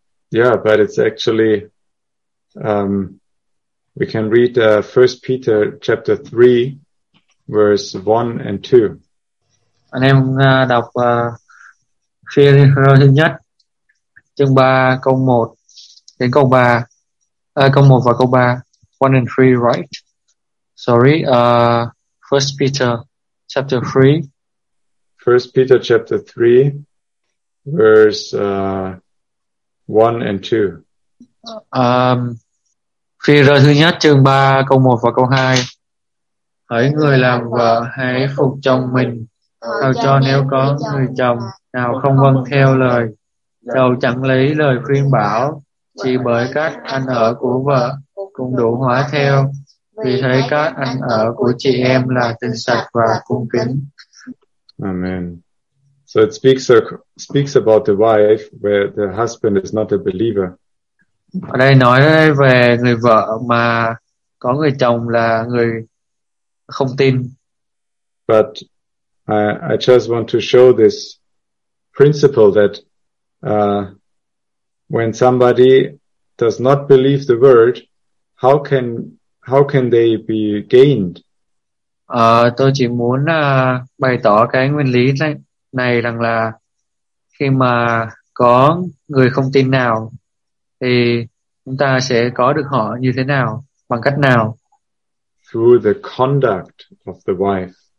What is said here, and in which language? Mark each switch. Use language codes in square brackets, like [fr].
[en] Yeah, but it's actually we can read 1 Peter chapter 3 verse 1 and 2. [vi] Anh em đọc thứ nhất chương 3 câu 1 đến câu 3. Câu 1 và câu 3. [en] 1 and 3, right? Sorry, 1 Peter chapter 3. 1 Peter chapter 3 verse 1 and 2. [vi] Phi rơ thứ nhất chương 3 câu 1 và câu 2. Hỡi người làm vợ hãy phục chồng mình, sao cho nếu có người chồng nào không vâng theo lời, đầu chẳng lấy lời khuyên bảo, chỉ bởi các anh ở của vợ cũng đủ hóa theo, vì thấy các anh ở của chị em là tinh sạch và cung kính. [en] Amen. So it speaks about the wife where the husband is not a believer. [vi] Ở đây nói về người vợ mà có người chồng là người không tin. [en] But I just want to show this principle that when somebody does not believe the word, how can they be gained? [vi] Tôi chỉ muốn bày tỏ cái nguyên lý này rằng là khi mà có người không tin nào thì chúng ta sẽ có được họ như thế nào, bằng cách nào? [en] Through the conduct of the wife.